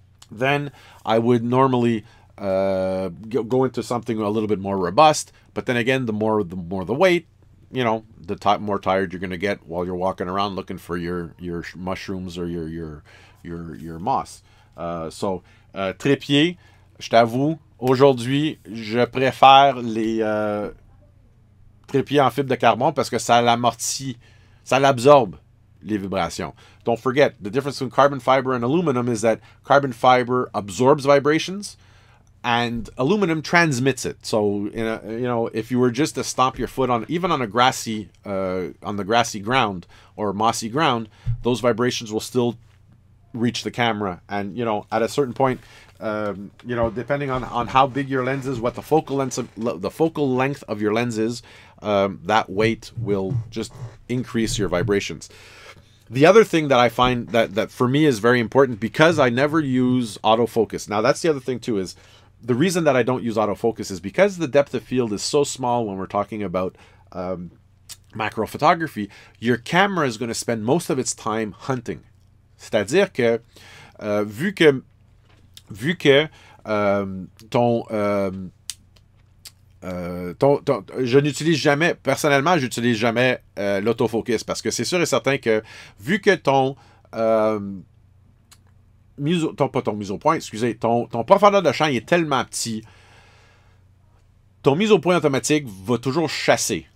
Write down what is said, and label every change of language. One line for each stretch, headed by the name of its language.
English: Then I would normally go into something a little bit more robust, but then again, the more the weight, you know, the more tired you're going to get while you're walking around looking for your mushrooms or your moss.
French: So trépied, je t'avoue, aujourd'hui, je préfère les trépieds en fibre de carbone parce que ça l'amortit, ça l'absorbe les vibrations.
English: Don't forget, the difference between carbon fiber and aluminum is that carbon fiber absorbs vibrations and aluminum transmits it. So, if you were just to stomp your foot on, even on a grassy, on the grassy ground or mossy ground, those vibrations will still reach the camera. And, you know, at a certain point, depending on how big your lens is, what the focal length of your lens is, that weight will just increase your vibrations. The other thing that I find that for me is very important because I never use autofocus. Now, that's the other thing, too, is the reason that I don't use autofocus is because the depth of field is so small when we're talking about macro photography, your camera is going to spend most of its time hunting.
French: C'est-à-dire que, vu que je n'utilise jamais, personnellement, j'utilise jamais l'autofocus parce que c'est sûr et certain que vu que ton profondeur de champ est tellement petit, ton mise au point automatique va toujours chasser.